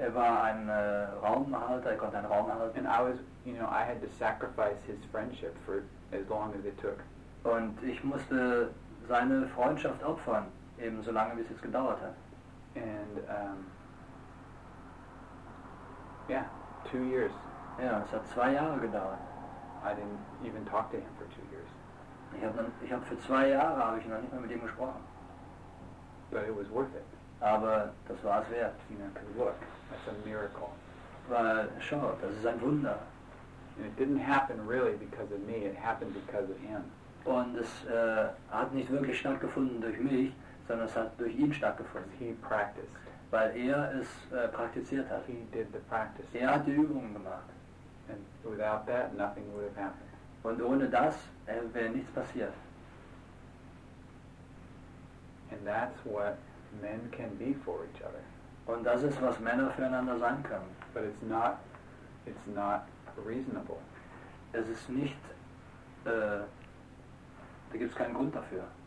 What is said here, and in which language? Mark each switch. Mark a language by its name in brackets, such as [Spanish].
[German] Er war ein Raumhalter, er konnte einen Raum halten. [English] And I was, you know, I had to sacrifice his friendship for as long as it took. [German] Und ich musste seine Freundschaft opfern, eben so lange, wie es jetzt gedauert hat. [English] And, yeah, 2 years. [German] Ja, es hat 2 Jahre gedauert. [English] I didn't even talk to him for 2 years. [German] Ich hab für 2 Jahre habe ich noch nicht mehr mit ihm gesprochen. [English] But it was worth it. [German] Aber das war es wert. [English] Look, that's a miracle. [German] Weil, schau, das ist ein Wunder. [English] And it didn't happen really because of me. It happened because of him. [German] Und es hat nicht wirklich stattgefunden durch mich, sondern es hat durch ihn stattgefunden. [English] He practiced. [German] Weil er es praktiziert hat. [English] He did the practice. [German] Er hat die Übungen gemacht. [English] And without that, nothing would have happened. [German] Und ohne das wäre nichts passiert. [English] And that's what men can be for each other. [German] Und das ist, was Männer füreinander sein können. [English] But it's not reasonable. [German] Es ist nicht, da gibt's keinen Grund dafür.